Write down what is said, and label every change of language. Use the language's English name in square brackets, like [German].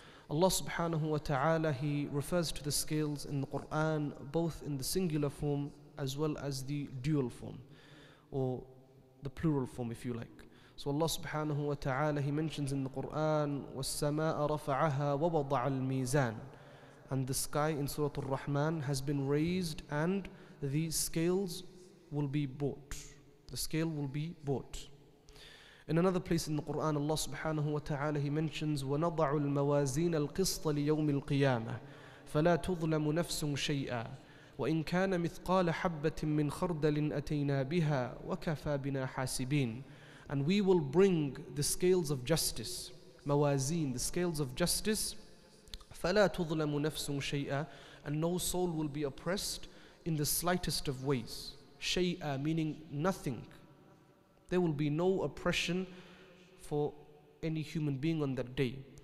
[English] Allah subhanahu wa ta'ala, He refers to the scales in the Quran, both in the singular form as well as the dual form, or the plural form, if you like. So Allah subhanahu wa ta'ala, He mentions in the Qur'an, [Arabic] وَالسَّمَاءَ رَفَعَهَا وَوَضَعَ الْمِيزَانِ. [English] And the sky in Surah Ar-Rahman has been raised, and the scales will be brought. The scale will be brought. In another place in the Qur'an, Allah subhanahu wa ta'ala, He mentions, [Arabic] وَنَضَعُ الْمَوَازِينَ الْقِسْطَ لِيَوْمِ الْقِيَامَةِ فَلَا تُظْلَمُ نَفْسٌ شَيْئًا وَإِنْ كَانَ مِثْقَالَ حَبَّةٍ مِّنْ خَرْدَلٍ أَتَيْنَا بِهَا وَكَفَى بِنَا حَاسِبِينَ. [English] And we will bring the scales of justice, mawazin, the scales of justice, [Arabic] فَلَا تُظْلَمُ نَفْسٌ شَيْئًا, [English] and no soul will be oppressed in the slightest of ways. شَيْئًا meaning nothing. There will be no oppression for any human being on that day.